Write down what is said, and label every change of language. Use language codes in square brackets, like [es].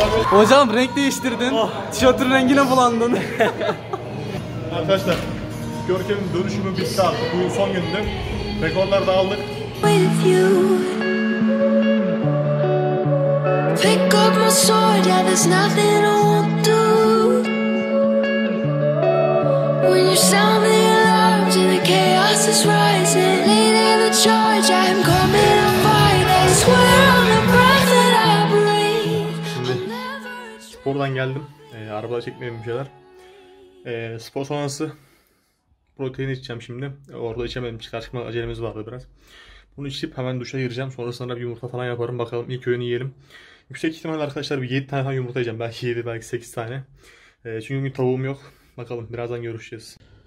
[tr] Hocam renk değiştirdin, tişörtün rengine bulandın. Arkadaşlar, Görkem'in dönüşümü bitti artık. Bugün son gündü. Rekorlar da aldık. [en] Pick up my sword, yeah, there's nothing I won't do. When you sound the alarms and the chaos is rising, leading the charge, I'm coming to fight. I swear on the breath that I breathe. [tr] Spordan geldim. Arabada çekmeyelim bir şeyler. Spor sonrası protein içeceğim şimdi. Orada içemedim. Çıkar çıkma acelemiz vardı biraz. Bunu içip hemen duşa gireceğim. Sonrasında bir yumurta falan yaparım. Bakalım ilk öğünü yiyelim. Yüksek ihtimalle arkadaşlar bir 7 tane falan yumurta yiyeceğim. Belki 7, belki 8 tane. Çünkü bugün tavuğum yok. Bakalım birazdan görüşeceğiz.